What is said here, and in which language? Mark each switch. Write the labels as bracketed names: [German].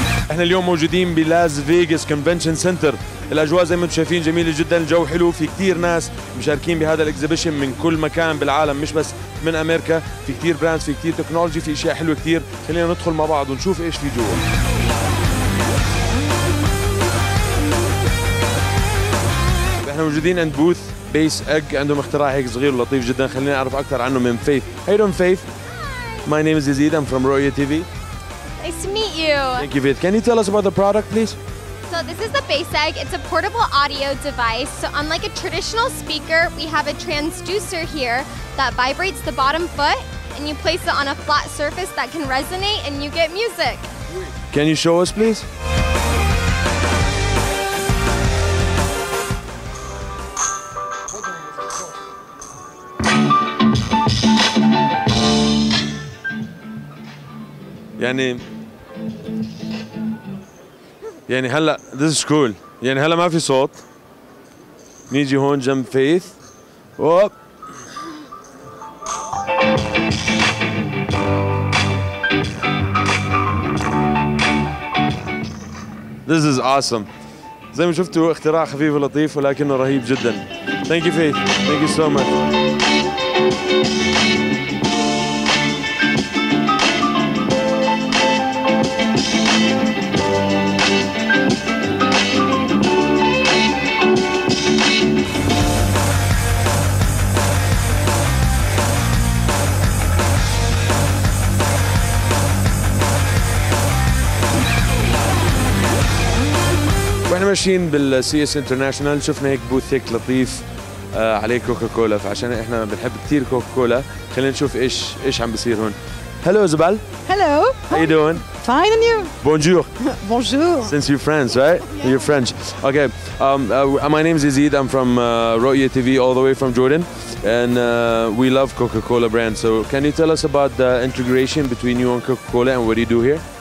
[Arabic] احنا اليوم موجودين بلاس فيغاس كونفنشن سنتر. الاجواء زي ما انتم شايفين جميله جدا، الجو حلو، في كثير ناس مشاركين بهذا الاكزيبيشن من كل مكان بالعالم، مش بس من امريكا، في كثير براندز، في كثير تكنولوجي، في اشياء حلوه كثير. خلينا ندخل مع بعض ونشوف ايش في جوا. احنا موجودين عند بوث بيس اج، عندهم اختراع هيك صغير ولطيف جدا، خليني اعرف اكثر عنه من فيف. [English] Hi دون فيف. My name is Yزيد. I'm from رؤيا TV. Nice to meet you. Thank you, Yزيد. Can you tell us about the product, please? So this is the BASEG. It's a portable audio device. So unlike a traditional speaker, we have a transducer here that vibrates the bottom foot, and you place it on a flat surface that can resonate, and you get music. Can you show us, please? [Arabic] يعني هلا [English] this is cool. [Arabic] يعني هلا ما في صوت، نيجي هون جنب فيث و [English] this is awesome. [Arabic] زي ما شفتوا اختراع خفيف ولطيف ولكنه رهيب جدا. [English] Thank you Faith. Thank you so much. [Arabic] ماشيين بالسي اس انترناشونال، شفنا هيك بوث هيك لطيف عليه كوكا كولا، فعشان احنا بنحب كثير كوكا كولا خلينا نشوف ايش عم بيصير هون. [English] Hello زبال. Hello. How you doing? Fine and you? [French] Bonjour. Bonjour. [English] Since you're French, right? Yeah. You're French. Okay. My name is Yزيد. I'm from Roya TV all the way from Jordan. And we love Coca Cola brand. So can you tell us about the integration between you and Coca Cola and what do you do here?